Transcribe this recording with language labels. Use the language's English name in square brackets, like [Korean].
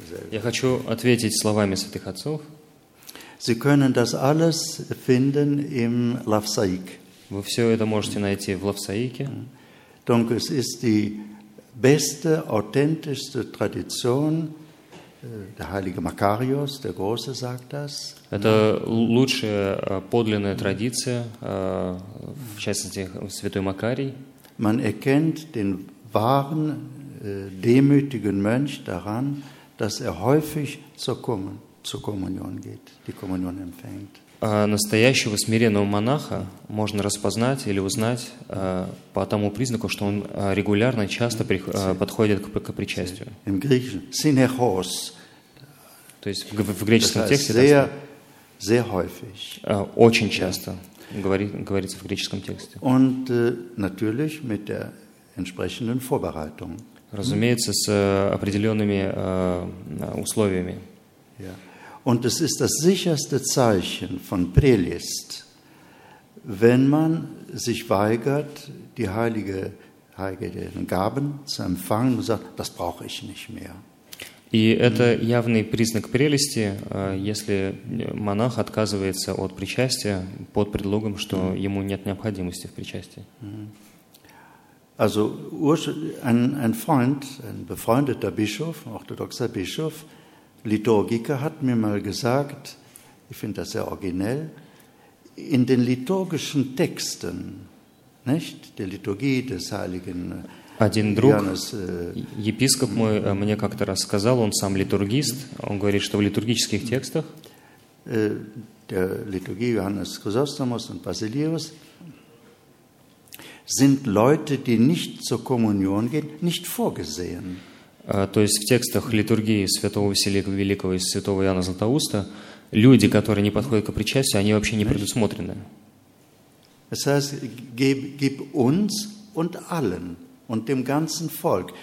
[Russian] Я хочу ответить словами святых отцов. [German] Sie können das alles finden im Lafsaik. [Russian] Вы все это можете найти в Лавсаике. [German] Donc es ist die beste, authentischste Tradition, der heilige Makarios, der Große, sagt das. [Russian] Это лучшая подлинная традиция, в частности, святой Макарий. [German] Man erkennt den wahren, demütigen Mönch daran, dass häufig zur Kommunion geht, die Kommunion empfängt. [Russian] Настоящего смиренного монаха можно распознать или узнать по тому признаку, что он регулярно, часто подходит к причастию. [German] Im Griechischen Synechos. [Russian] То есть в греческом тексте [German] sehr häufig. [Russian] Очень часто говорится в греческом тексте. [German] Und natürlich mit der entsprechenden Vorbereitung. [Russian] Разумеется, с определенными условиями. [German] Und es ist das sicherste Zeichen von Prelist, wenn man sich weigert, die heiligen Gaben zu empfangen und sagt, das brauche ich nicht mehr. [Russian] И это явный признак прелести, если монах отказывается от причастия под предлогом, что ему нет необходимости в причастии. [German] Also ein Freund, ein befreundeter Bischof, orthodoxer Bischof, Liturgiker hat mir mal gesagt, ich finde das sehr originell, in den liturgischen Texten, nicht, der Liturgie des heiligen [Russian] Один друг, Johannes, епископ мой, мне как-то рассказал, он сам литургист, он говорит, что в литургических текстах [German] der Liturgie Johannes Chrysostomus und Basilius sind Leute, die nicht zur Kommunion gehen, nicht vorgesehen. [Russian] То есть в текстах литургии святого Василия Великого и святого Иоанна Златоуста люди, которые не подходят к причастию, они вообще не предусмотрены. [German] Es heißt, gib uns und allen und dem ganzen Volk.